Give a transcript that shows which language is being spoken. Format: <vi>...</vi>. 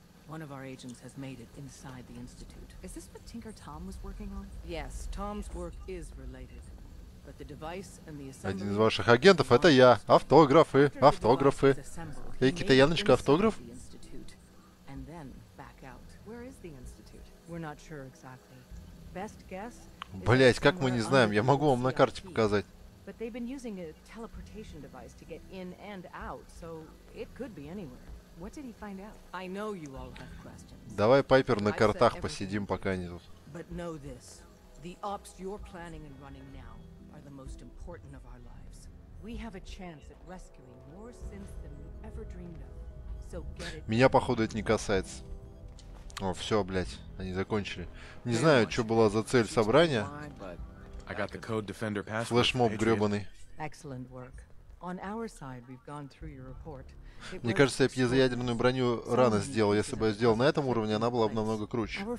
<en>One of our agents has made it inside the institute. Is this what Tinker Tom was working on? Yes, Tom's work is related, but the device and the assembly.</en> <ru>Один из ваших агентов — это я. Автографы, автографы. Эй, Кита Яночка, автограф?</ru> <en>And then back out. Where is the institute? We're not sure exactly. Best guess.</en> <ru>Блять, как мы не знаем? Я могу вам на карте показать.</ru> <en>But they've been using a teleportation device to get in and out, so it could be anywhere. What did he find out? I know you all have questions.</en> <ru>Давай, Пайпер, на картах посидим, пока они тут.</ru> <en>But know this. The ops you're planning and running now are the most important of our lives. We have a chance at rescuing more sins than we ever dreamed of. So get it.</en> <ru>Меня, походу, это не касается. О, все, блять, они закончили. Не знаю, что была за цель собрания.</ru> <en>I got the code defender password.</en> <ru>Флешмоб гребаный.</ru> <en>Excellent work. On our side, we've gone through your report.</en> <ru>Мне кажется, я пьезоядерную броню рано сделал. Если бы я сделал на этом уровне, она была бы намного круче.</ru>